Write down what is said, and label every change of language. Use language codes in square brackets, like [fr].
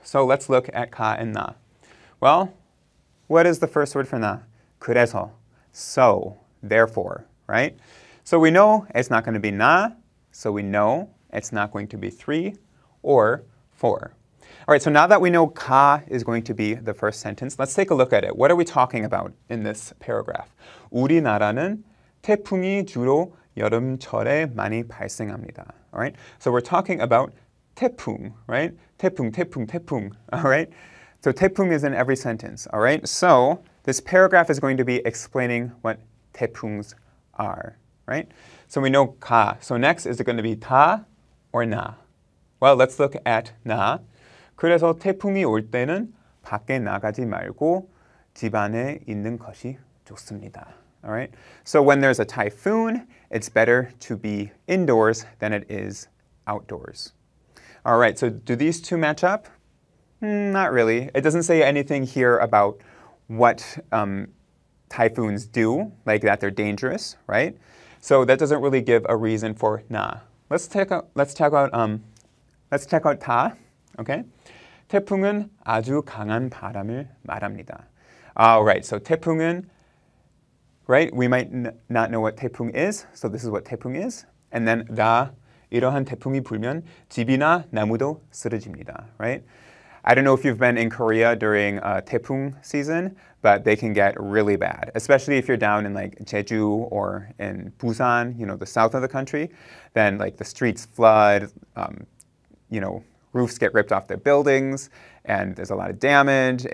[en] So let's look at 가 and 나. Well, what is the first word for 나? 그래서, so, therefore. Right? So we know it's not going to be 나, so we know it's not going to be 3 or 4. All right, so now that we know 가 is going to be the first sentence, let's take a look at it. What are we talking about in this paragraph? [ko] 우리나라는 태풍이 주로 여름철에 많이 발생합니다. [en] All right, so we're talking about 태풍, right? 태풍, 태풍, 태풍, all right? So 태풍 is in every sentence, all right? So this paragraph is going to be explaining what 태풍s are, right? So we know 가. So next, is it going to be 다 or 나? Well, let's look at 나. [ko] 그래서 태풍이 올 때는 밖에 나가지 말고 집 안에 있는 것이 좋습니다. [en] All right? So when there's a typhoon, it's better to be indoors than it is outdoors. All right, so do these two match up? Not really. It doesn't say anything here about what typhoons do, like that they're dangerous, right? So that doesn't really give a reason for 나. Let's check out 다, okay? [ko] 태풍은 아주 강한 바람을 말합니다. [en] All right, so 태풍은, right? We might not know what 태풍 is, so this is what 태풍 is. And then [ko] 나, 이러한 태풍이 불면 집이나 나무도 쓰러집니다, [en] right? I don't know if you've been in Korea during 태풍 season, but they can get really bad, especially if you're down in like Jeju or in Busan, you know, the south of the country, then like the streets flood, you know, roofs get ripped off their buildings, and there's a lot of damage.